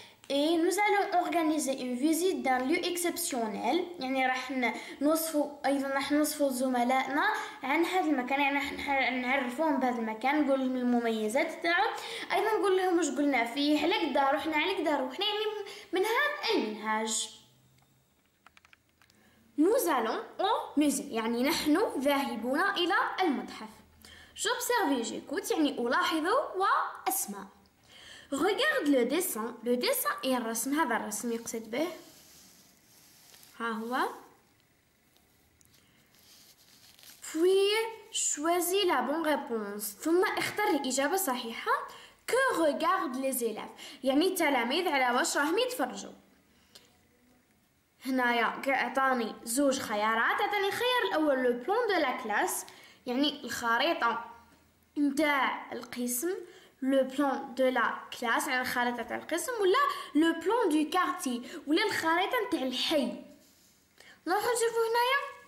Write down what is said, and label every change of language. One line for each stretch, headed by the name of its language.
French: Et nous allons organiser une visite d'un lieu exceptionnel.
Arabic: يعني راح نوصفوا، ايضا راح نوصفوا زملائنا عن هذا المكان، يعني راح نعرفوهم بهذا المكان، نقول لهم المميزات تاعو، ايضا نقول لهم واش قلنا فيه، هلاك دار، رحنا عليك دار، رحنا، يعني من هذا المنهاج.
French: Nous allons au musée،
Arabic: يعني نحن ذاهبون الى المتحف.
French: J'observe et j'écoute،
Arabic: يعني الاحظ واسمع.
French: Regarde le dessin. Le dessin est un rasme.
Arabic: هذا الرسم يقصد به. ها هو.
French: Puis choisis la bonne réponse.
Arabic: ثم اختر الإجابة الصحيحة.
French: Que regardent les élèves.
Arabic: يعني التلاميذ على واش راهم يتفرجوا. هنايا عطاني زوج خيارات. عطاني الخيار الأول
French: لو بلون دو لا كلاس،
Arabic: يعني الخريطة نتاع القسم.
French: Le plan de la classe،
Arabic: يعني الخريطة تاع القسم، ولا
French: le plan du quartier،
Arabic: ولا الخريطة تاع الحي. نروحو نشوفو هنايا.